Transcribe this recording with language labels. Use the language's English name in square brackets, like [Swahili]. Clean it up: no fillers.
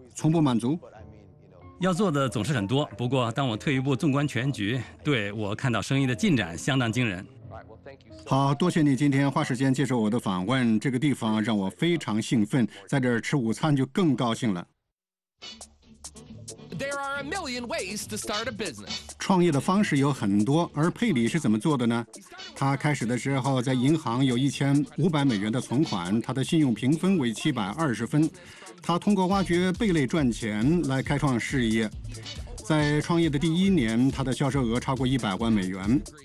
[Chinese] 从不满足，要做的总是很多。不过当我退一步纵观全局，对，我看到生意的进展相当惊人。好，多谢你今天花时间接受我的访问，这个地方让我非常兴奋，在这儿吃午餐就更高兴了。 [English] There are a million ways to start a business. [Chinese] 创业的方式有很多，而佩里是怎么做的呢？他开始的时候在银行有$1,500的存款，他的信用评分为720分，他通过挖掘贝类赚钱来开创事业。在创业的第一年，他的销售额超过$1,000,000。